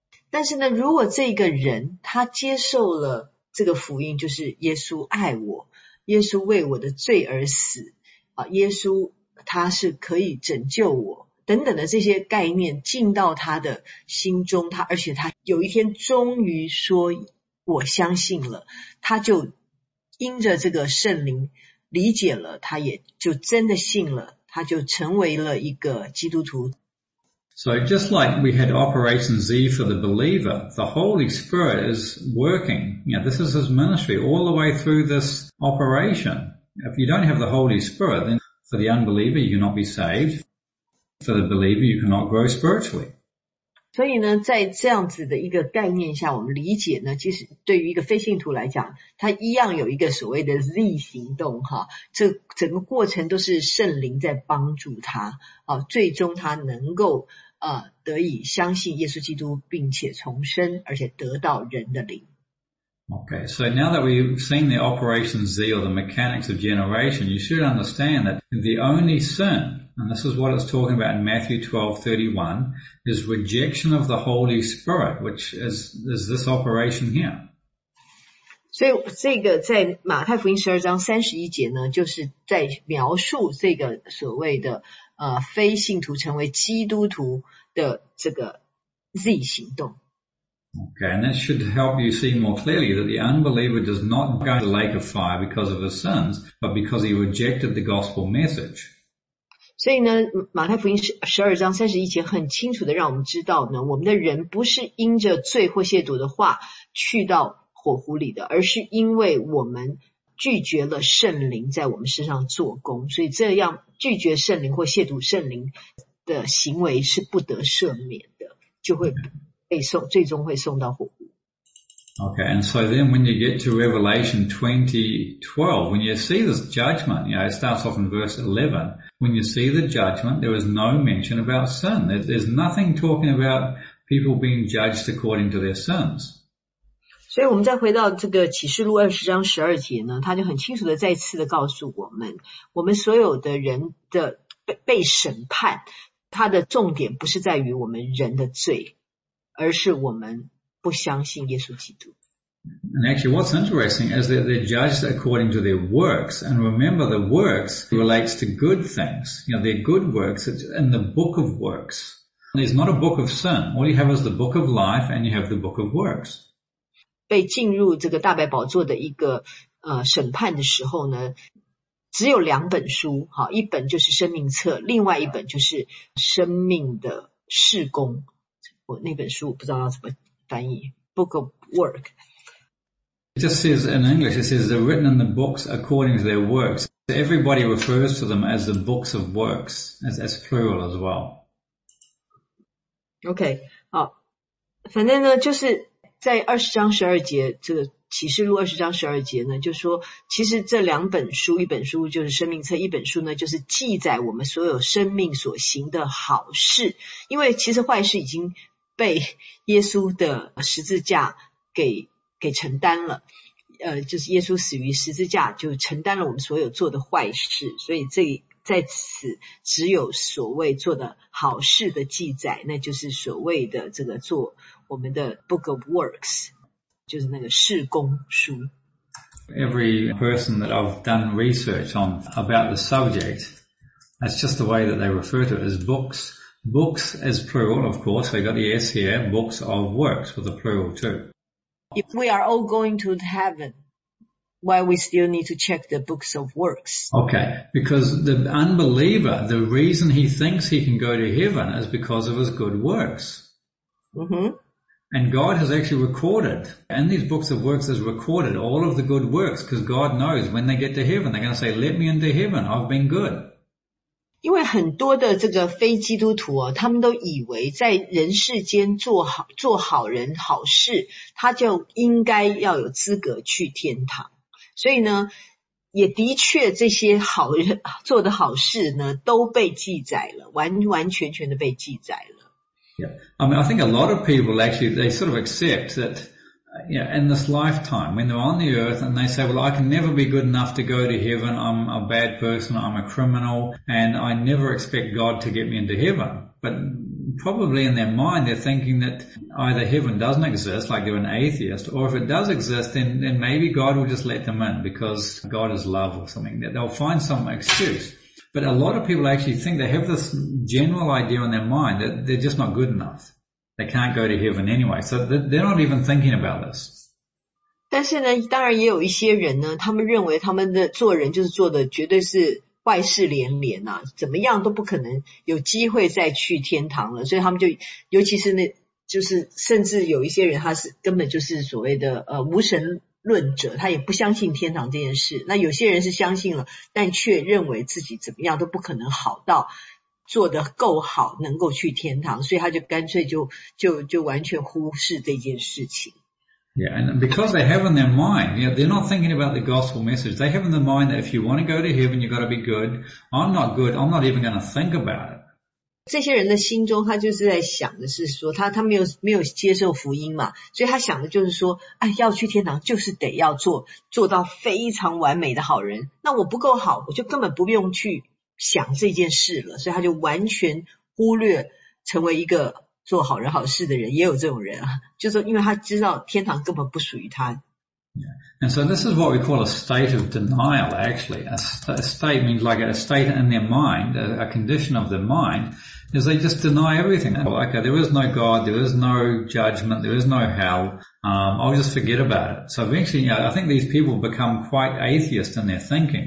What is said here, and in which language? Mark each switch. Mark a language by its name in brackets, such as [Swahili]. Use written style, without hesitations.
[Chinese] 但是呢，如果这个人他接受了这个福音，就是耶稣爱我，耶稣为我的罪而死，啊，耶稣他是可以拯救我等等的这些概念进到他的心中，他而且他有一天终于说我相信了，他就因着这个圣灵理解了，他也就真的信了，他就成为了一个基督徒。 [English] So just like we had Operation Z for the believer, the Holy Spirit is working. You know, this is his ministry all the way through this operation. If you don't have the Holy Spirit, then for the unbeliever, you cannot be saved. For the believer, you cannot grow spiritually. [Chinese] 所以呢，在这样子的一个概念下，我们理解呢，其实对于一个非信徒来讲，他一样有一个所谓的 Z 行动，哈，这整个过程都是圣灵在帮助他，啊，最终他能够得以相信耶稣基督，并且重生，而且得到人的灵。 [English] Okay, so now that we've seen the Operation Z or the mechanics of generation, you should understand that the only sin, and this is what it's talking about in Matthew 12:31, is rejection of the Holy Spirit, which is this operation here. [Chinese] 所以这个在马太福音12章31节呢，就是在描述这个所谓的非信徒成为基督徒的这个 Z 行动。 [English] Okay, and that should help you see more clearly that the unbeliever does not go to the lake of fire because of his sins, but because he rejected the gospel message. [Chinese] 所以呢，马太福音12章31节很清楚的让我们知道呢，我们的人不是因着罪或亵渎的话去到火湖里的，而是因为我们拒绝了圣灵在我们身上做工，所以这样拒绝圣灵或亵渎圣灵的行为是不得赦免的，就会。 Okay. 最终会送到火湖。 [English] Okay, and so then when you get to Revelation 20:12, when you see this judgment, you know, it starts off in verse 11, when you see the judgment, there is no mention about sin. There's nothing talking about people being judged according to their sins. [Chinese] 所以我们再回到这个启示录20章12节呢，他就很清楚的再次的告诉我们，我们所有的人的 被审判，他的重点不是在于我们人的罪，而是我们不相信耶稣基督。 [English] And actually what's interesting is that they're judged according to their works. And remember, the works relates to good things. You know, they're good works. It's in the book of works. There's not a book of sin. All you have is the book of life and you have the book of works. [Chinese] 被进入这个大白宝座的一个审判的时候呢，只有两本书，好，一本就是生命册，另外一本就是生命的事工。我那本书不知道要怎么翻译 , [English] book of work。 It just says in English, it says they're written in the books according to their works. Everybody refers to them as the books of works, as plural as well. [Chinese] Okay, 好，反正呢，就是在20章12节，这个启示录20章12节呢，就说其实这两本书，一本书就是生命册，一本书呢就是记载我们所有生命所行的好事，因为其实坏事已经被耶稣的十字架给承担了，就是耶稣死于十字架，就承担了我们所有做的坏事，所以这在此只有所谓做的好事的记载，那就是所谓的这个做我们的 [English] Book of Works， [Chinese] 就是那个事工书。 [English] Every person that I've done research on about the subject, that's just the way that they refer to it as books. Books is plural, of course. We got the S here, books of works with a plural too. If we are all going to heaven, why we still need to check the books of works? Okay, because the unbeliever, the reason he thinks he can go to heaven is because of his good works. Mm-hmm. And God has actually recorded, in these books of works has recorded all of the good works, because God knows when they get to heaven, they're going to say, let me into heaven, I've been good. [Chinese] 因为很多的这个非基督徒啊，他们都以为在人世间做好人好事，他就应该要有资格去天堂。所以呢，也的确这些好人做的好事呢，都被记载了，完完全全的被记载了。 [English] Yeah, I mean, I think a lot of people actually they sort of accept that, you know, in this lifetime when they're on the earth and they say, well, I can never be good enough to go to heaven. I'm a bad person. I'm a criminal and I never expect God to get me into heaven. But probably in their mind, they're thinking that either heaven doesn't exist, like they're an atheist, or if it does exist, then maybe God will just let them in because God is love or something. They'll find some excuse. But a lot of people actually think they have this general idea in their mind that they're just not good enough. They can't go to heaven anyway, so they're not even thinking about this. [Chinese] 但是呢，当然也有一些人呢，他们认为他们的做人就是做的绝对是坏事连连啊，怎么样都不可能有机会再去天堂了，所以他们就，尤其是那，就是甚至有一些人他是根本就是所谓的无神论者，他也不相信天堂这件事。那有些人是相信了，但却认为自己怎么样都不可能好到做得够好能够去天堂，所以他就干脆就完全忽视这件事情。 [English] Yeah, and because they have in their mind, you know, they're not thinking about the gospel message. They have in their mind that if you want to go to heaven, you've got to be good. I'm not good. I'm not even going to think about it. [Chinese] 这些人的心中他就是在想的是说他没有接受福音嘛，所以他想的就是说，哎，要去天堂就是得要做到非常完美的好人。那我不够好，我就根本不用去想这件事了，所以他就完全忽略成为一个做好人好事的人，也有这种人啊，就是因为他知道天堂根本不属于他。 Yeah. [English] And so this is what we call a state of denial, actually. A state means like a state in their mind, a condition of their mind, is they just deny everything. Okay, there is no God, there is no judgment, there is no hell, I'll just forget about it. So eventually, you know, I think these people become quite atheist in their thinking.